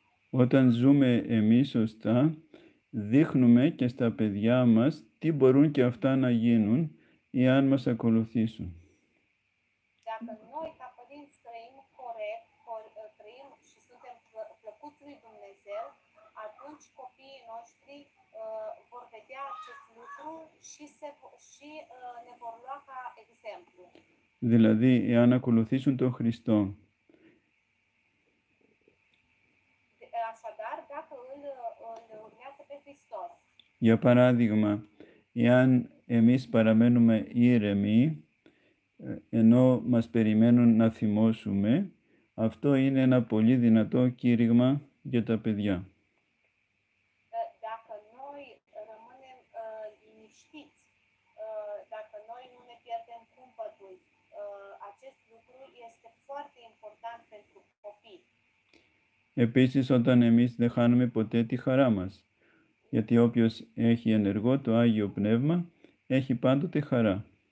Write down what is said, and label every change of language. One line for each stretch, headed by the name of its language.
Greek: Όταν ζούμε εμείς σωστά, δείχνουμε και στα παιδιά μας τι μπορούν και αυτά να γίνουν, εάν μας ακολουθήσουν.
Romanian: Dacă noi, ca părinți, trăim corect, trăim și suntem plăcuți lui Dumnezeu, atunci copiii noștri vor vedea acest lucru și, ne vor lua ca exemplu.
Greek: Δηλαδή, εάν ακολουθήσουν τον Χριστό.
Romanian: Așadar, dacă îl urmează pe Hristos.
Greek: Για παράδειγμα, εάν εμείς παραμένουμε ήρεμοι, ενώ μας περιμένουν να θυμώσουμε, αυτό είναι ένα πολύ δυνατό κήρυγμα για τα παιδιά.
Romanian: Dacă noi rămânem liniștiți, dacă noi nu ne pierdem cumpătul, acest lucru este foarte important pentru copii.
Greek: Επίσης, όταν εμείς δεν χάνουμε ποτέ τη χαρά μας, γιατί όποιος έχει ενεργό το Άγιο Πνεύμα, έχει πάντοτε χαρά.